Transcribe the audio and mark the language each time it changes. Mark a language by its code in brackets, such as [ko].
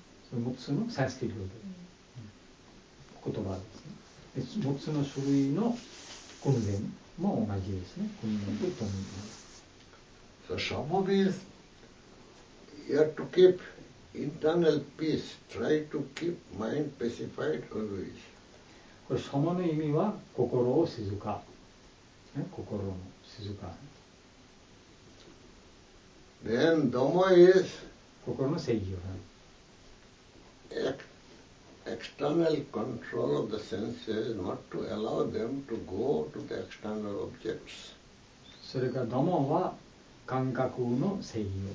[ja] その3つのサンスクリット語で、言葉ですね。で、3つの種類の訓練も同じですね。訓練と共に。 [en] So, some of these, you have to keep internal peace, try to keep mind pacified always. [ja] これ、サマの意味は心を静か、ね、心の静か。 [en] Then, Dhamma is [ja] 心の制御が。 [en] External control of the senses, not to allow them to go to the external objects. [ja] それからダモは感覚の制御。